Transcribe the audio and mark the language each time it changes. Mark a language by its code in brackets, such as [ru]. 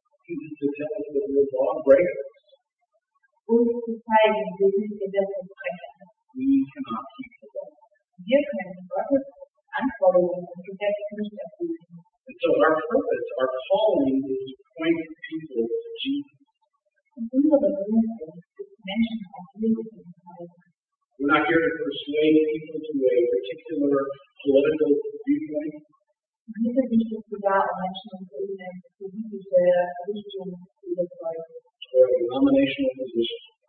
[en] To tell us that we're lawbreakers. [de] Und zu zeigen, wir sind Gesetzesbrecher. [en] We cannot keep the law. [de] Wir können Gottes Anforderungen und Gesetz nicht erfüllen. [en] And so our purpose, our calling is to point people to Jesus. We're not here to persuade people to a particular political viewpoint. Or a denominational position.